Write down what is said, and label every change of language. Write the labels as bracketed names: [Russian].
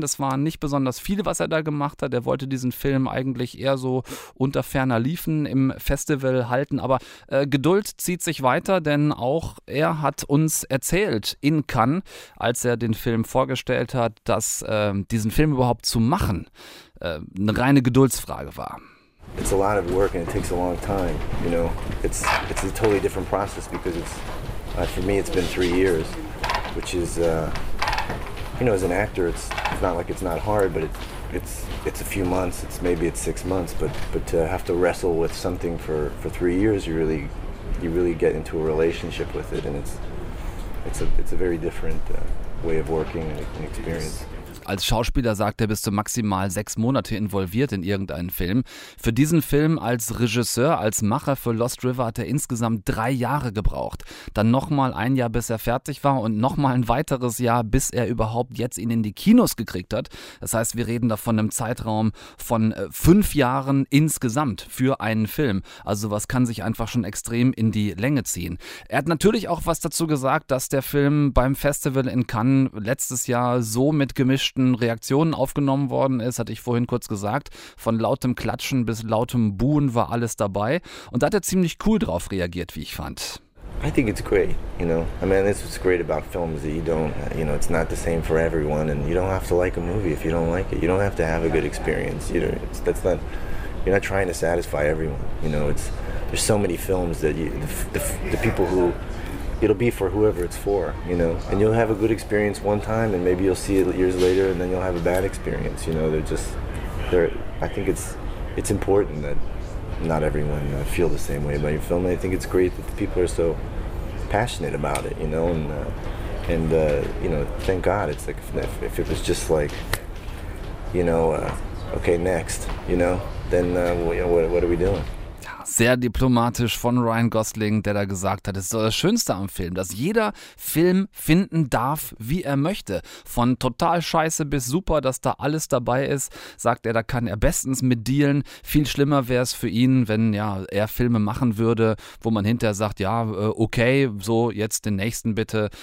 [German] Das waren nicht besonders viele, was er da gemacht hat. Er wollte diesen Film eigentlich eher so unter ferner Liefen im Festival halten. Aber Geduld zieht sich weiter, denn auch er hat uns erzählt in Cannes, als er den Film vorgestellt hat, dass diesen Film überhaupt zu machen eine reine Geduldsfrage war. [English] It's a lot of work and it takes a long time, you know. It's a totally different process because it's, for me it's been 3 years, which is, you know, as an actor it's not like it's not hard, but it's a few months, it's maybe 6 months, but to have to wrestle with something for 3 years, you really get into a relationship with it, and it's a very different way of working and experience. [German] Als Schauspieler sagt er bis zu maximal 6 Monate involviert in irgendeinen Film. Für diesen Film als Regisseur, als Macher für Lost River hat er insgesamt 3 Jahre gebraucht. Dann nochmal 1 Jahr, bis er fertig war und nochmal ein weiteres Jahr, bis er überhaupt jetzt ihn in die Kinos gekriegt hat. Das heißt, wir reden da von einem Zeitraum von 5 Jahren insgesamt für einen Film. Also was kann sich einfach schon extrem in die Länge ziehen. Er hat natürlich auch was dazu gesagt, dass der Film beim Festival in Cannes letztes Jahr so mit gemischten Reaktionen aufgenommen worden ist, hatte ich vorhin kurz gesagt. Von lautem Klatschen bis lautem Buhen war alles dabei. Und da hat er ziemlich cool drauf reagiert, wie ich fand. [English] I think it's great, you know. I mean, this is what's great about films, that you don't, you know, it's not the same for everyone, and you don't have to like a movie if you don't like it. You don't have to have a good experience. You know, that's not, you're not trying to satisfy everyone. You know, it's, there's so many films that you, the people who, it'll be for whoever it's for, you know. And you'll have a good experience one time, and maybe you'll see it years later, and then you'll have a bad experience. You know, they're just, they're, I think it's important that not everyone feel the same way about your film. I think it's great that the people are so passionate about it, you know, and you know, thank God. It's like if it was just like, you know, okay, next, you know, then what are we doing? [German] Sehr diplomatisch von Ryan Gosling, der da gesagt hat, es ist das Schönste am Film, dass jeder Film finden darf, wie er möchte. Von total scheiße bis super, dass da alles dabei ist, sagt er, da kann er bestens mit dealen. Viel schlimmer wäre es für ihn, wenn ja, er Filme machen würde, wo man hinterher sagt, ja, okay, so jetzt den nächsten bitte.